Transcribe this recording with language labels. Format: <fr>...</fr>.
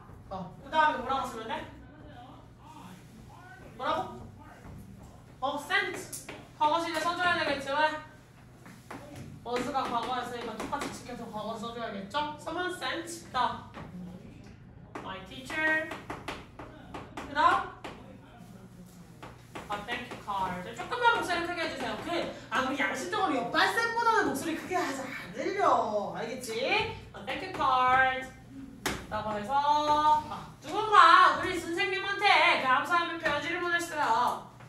<ko>어, 그 다음에 뭐라고 쓰면 돼? 뭐라고? 어, sent. 과거 시제 써줘야 되겠지, 왜? was가 과거였으니까 똑같이 지켜서 과거 써줘야겠죠?</ko> <en>someone sent the my teacher the a thank you card.</en> <ko>조금만 목소리 크게 해주세요. 그, 아, 우리 양심적으로 옆반 쌤보다는 목소리 크게 하지 않으려. 알겠지?</ko> <en>a thank you card.</en> <ko>라고 해서 아, 누군가 우리 선생님한테 감사하며 편지를 보냈어요.</ko>